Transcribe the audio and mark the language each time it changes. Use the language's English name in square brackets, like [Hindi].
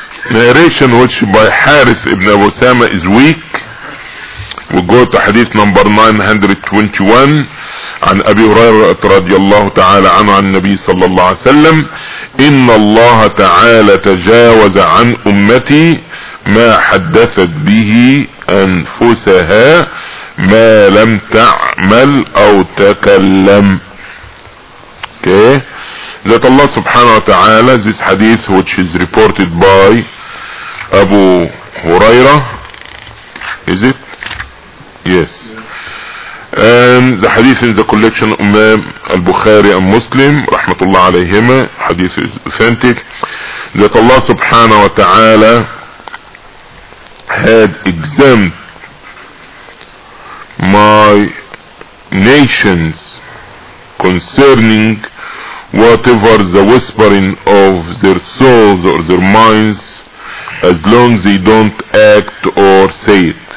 [English] Narration which by Harith ibn Abu Sama is weak. We go to hadith number 921 [Arabic] عن أبي هريرة رضي الله تعالى عنه عن النبي صلى الله عليه وسلم إن الله تعالى تجاوز عن أمتي ما حدثت به أنفسها ما لم تعمل أو تكلم. [English] Okay. That Allah سبحانه وتعالى, this hadith which is reported by أبو هريرة, is it? Yes. And the hadith in the collection Imam al-Bukhari and Muslim rahmatullah alayhima, hadith is authentic, that Allah subhanahu wa ta'ala had exempt my nations concerning whatever the whispering of their souls or their minds, as long as they don't act or say it.